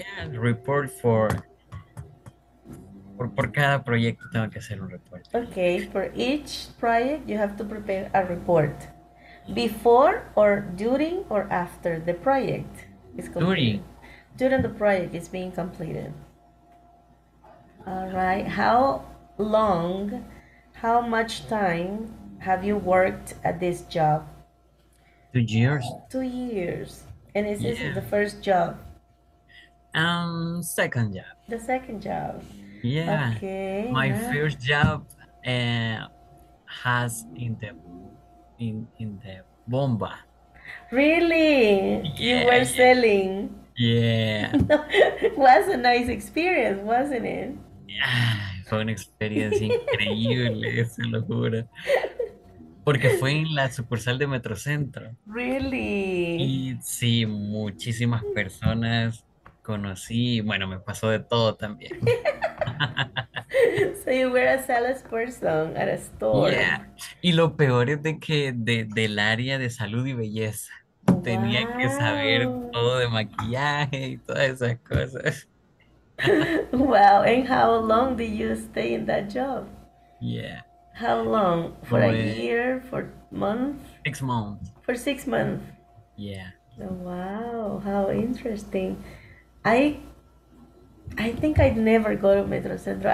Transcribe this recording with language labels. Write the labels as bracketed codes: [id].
[en] Report for [es] cada proyecto tengo que hacer un report. [en] Okay, for each project you have to prepare a report. Before or during or after the project is completed? During the project is being completed. All right, how much time have you worked at this job? 2 years. 2 years, and is this the first job? Second job. The second job. Yeah. Okay. My first job has in the bomba. Really? Yeah, you were selling. Yeah. Was a nice experience, wasn't it? Yeah, [es] fue una experiencia increíble, se lo juro. Porque fue en la sucursal de Metrocentro. [en] Really? [es] Y sí, muchísimas personas conocí, bueno, me pasó de todo también. [en] So you were a salesperson at a store. Yeah. [es] Y lo peor es de que del área de salud y belleza. [en] Wow. [es] Tenía que saber todo de maquillaje y todas esas cosas. [en] Wow, and how long did you stay in that job? Yeah. How long? For a year? For months? 6 months. For 6 months? Yeah. Oh, wow, how interesting. I think I'd never go to Metrocentro.